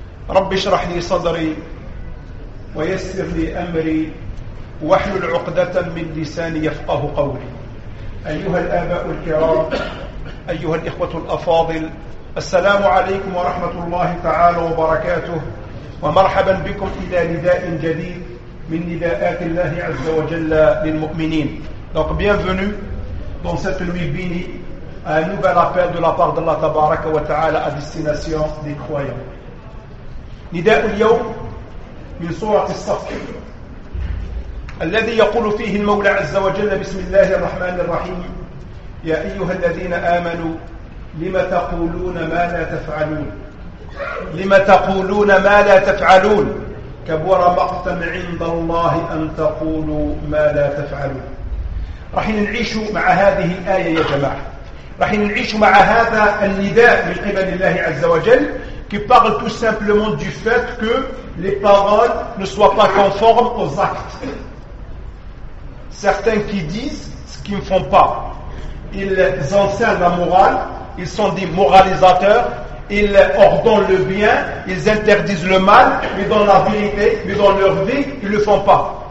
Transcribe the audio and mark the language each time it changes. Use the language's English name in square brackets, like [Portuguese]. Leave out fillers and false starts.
[Arabic] رب اشرح لي صدري ويسر لي أمري واحلل عقدة من لساني يفقه قولي. أيها الآباء الكرام، أيها الإخوة الأفاضل، السلام عليكم ورحمة الله تعالى وبركاته، ومرحبا بكم إلى نداء جديد من نداءات الله عز وجل للمؤمنين. [French] Donc bienvenue dans cette nuit bénie, un nouvel appel de la part d'Allah tabaraka wa ta'ala à destination des croyants. [Arabic] نداء اليوم من سورة الصف الذي يقول فيه المولى عز وجل بسم الله الرحمن الرحيم: يا أيها الذين آمنوا لما تقولون ما لا تفعلون، لما تقولون ما لا تفعلون، كبر مقتا عند الله أن تقولوا ما لا تفعلون. رح نعيش مع هذه الآية يا جماعة، رح نعيش مع هذا النداء من قبل الله عز وجل، [French] qui parle tout simplement du fait que les paroles ne soient pas conformes aux actes. Certains qui disent ce qu'ils ne font pas, ils enseignent la morale, ils sont des moralisateurs. Ils ordonnent le bien, ils interdisent le mal, mais dans la vérité, mais dans leur vie, ils ne le font pas.